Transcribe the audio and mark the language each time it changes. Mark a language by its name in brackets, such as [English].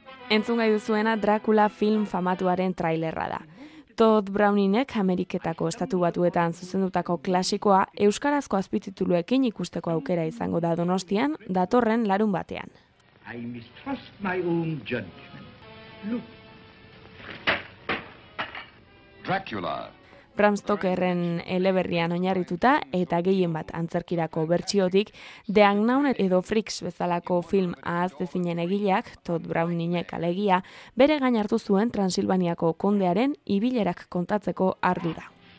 [Basque] Entzun gai duzuena Dracula film famatuaren trailerra da. Todd Browninek Ameriketako Estatu Batuetan zuzendutako klasikoa euskarazko azpitituluekin ikusteko aukera izango da Donostian datorren larun batean. [English] I mistrust my own judgment. Look. Dracula. [Basque] Bram Stokerren eleberrian oinarrituta eta gehien bat antzerkirako bertsiotik, The Unknown edo Freaks bezalako film ahaztezinen egileak, Todd Browninek alegia, bere gain hartu zuen Transilvaniako kondearen ibilerak kontatzeko ardura.